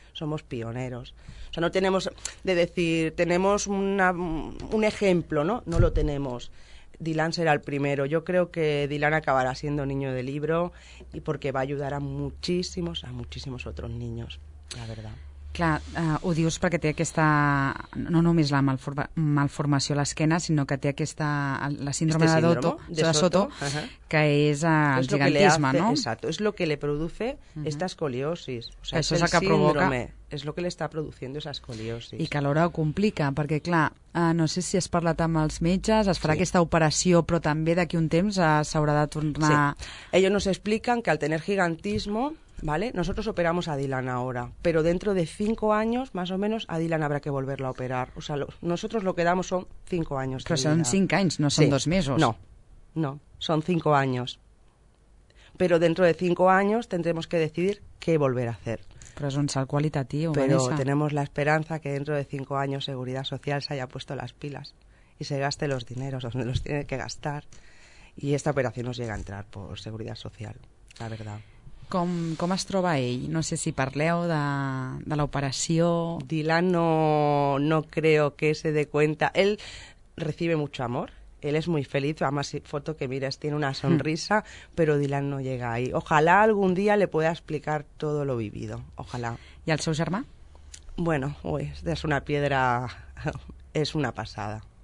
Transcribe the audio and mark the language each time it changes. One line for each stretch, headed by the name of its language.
Spanish: Somos pioneros. O sea, no tenemos de decir, tenemos un ejemplo, ¿no? No lo tenemos. Dylan será el primero. Yo creo que Dylan acabará siendo niño de libro y porque va a ayudar a muchísimos otros niños, la verdad.
Catalan: Clar, ho dius perquè té aquesta, no només la malformació a l'esquena, sinó que té aquesta, la síndrome,
Spanish: este síndrome de Soto, Soto
Catalan: que és el gigantisme, no?
Spanish: Exacto, es lo que le produce esta escoliosis. O sea,
Catalan: això és el que provoca.
Spanish: Es lo que le está produciendo esa escoliosis.
Catalan: I que alhora ho complica, perquè clar, no sé si has parlat amb els metges, es farà sí. aquesta operació, però també d'aquí un temps s'haurà de tornar... Sí.
Spanish: Ellos nos explican que al tener gigantismo... ¿Vale? Nosotros operamos a Dylan ahora, pero dentro de 5 años, más o menos, a Dylan habrá que volverla a operar. O sea, nosotros lo que damos son 5 años. Pero son 5 años, no son 2 meses. No, no, son 5 años. Pero dentro de 5 años tendremos que decidir qué volver a hacer. Pero es un sal cualitativo, pero Vanessa. Tenemos la esperanza que dentro de 5 años Seguridad Social se haya puesto las pilas y se gaste los dineros donde los tiene que gastar. Y esta operación nos llega a entrar por Seguridad Social, la verdad.
Catalan: Com es troba ell? No sé si parleu de l'operació...
Spanish: Dylan no creo que se dé cuenta. Él recibe mucho amor, él es muy feliz, además foto que miras tiene una sonrisa, pero Dylan no llega ahí. Ojalá algún día le pueda explicar todo lo vivido, ojalá.
Catalan: ¿Y al seu germà?
Spanish: Bueno, uy, es una piedra, es una pasada.